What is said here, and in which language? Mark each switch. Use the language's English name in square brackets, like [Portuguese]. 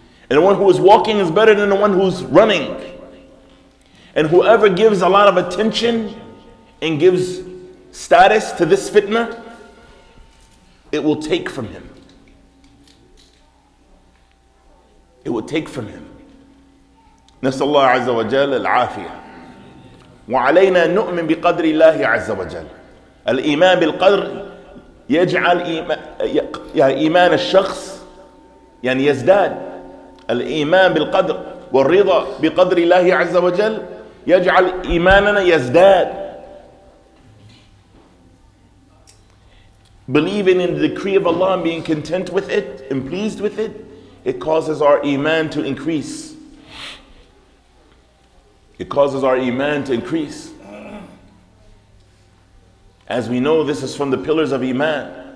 [English] And the one who is walking is better than the one who's running. And whoever gives a lot of attention and gives status to this fitna, it will take from him. It will take from him. [Arabic] نسأل الله عز وجل العافية. وعلينا نؤمن بقدر الله عز وجل. الإيمان بالقدر يجعل إيمان الشخص يعني يزداد. الإيمان بالقدر والرضا بقدر الله عز وجل يجعل إيماننا يزداد. [English] Believing in the decree of Allah and being content with it and pleased with it, it causes our iman to increase. It causes our iman to increase. As we know, this is from the pillars of iman.